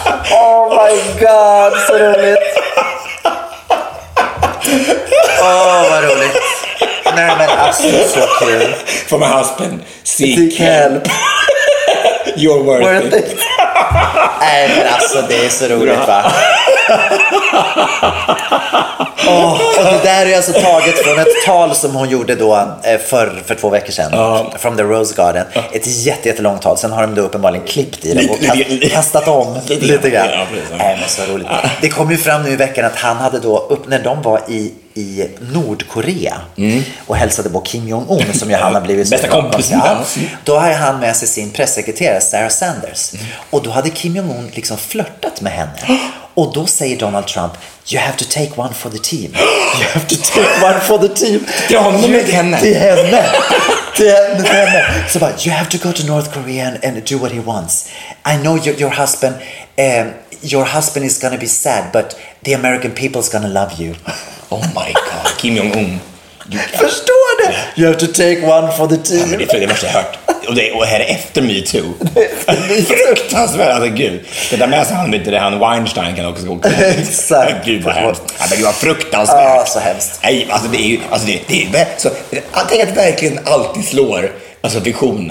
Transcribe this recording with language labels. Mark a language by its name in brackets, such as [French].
[English] Oh my god, so [Swedish] roligt. Åh, oh, vad roligt. Nej, men absolut så kul. [English] For my husband, seek help. You're worth it. [Swedish] Nej, men alltså, det är så roligt, va? Oh, och det där är alltså taget från ett tal som hon gjorde då för 2 veckor sedan. [English] From the Rose Garden. [Swedish] Ett jättelångt tal. Sen har de då uppenbarligen klippt i det och kastat om lite grann. Nej, men så roligt. Det kom ju fram nu i veckan att han hade då, upp när de var i Nordkorea och hälsade på Kim Jong-un, som ju han har blivit bästa kompis. Ja, då har han med sig sin pressekreterare Sarah Sanders. Mm. Och då hade Kim Jong-un liksom flörtat med henne. Och då säger Donald Trump: [English] you have to take one for the team. You have to take one for the team. [Swedish] Till honom med henne. Till henne. Till henne. Så bara, [English] you have to go to North Korea and do what he wants. I know your husband, your husband is gonna be sad, but the American people is gonna love you. Oh my god, Kim Jong-un. [Swedish] Förstår det? [English] You have to take one for the team. [Swedish] Ja, men det är det värsta jag hört. Och det och här är efter Me Too. Fruktansvärt, alltså, gud. Det där med sig handlar inte det här. Weinstein kan också gå. Exakt. Gud vad hemskt. Ja, det var fruktansvärt. Så hemskt. Nej, alltså det är ju... Alltså, det är, jag tänker att det verkligen alltid slår, alltså, visionen.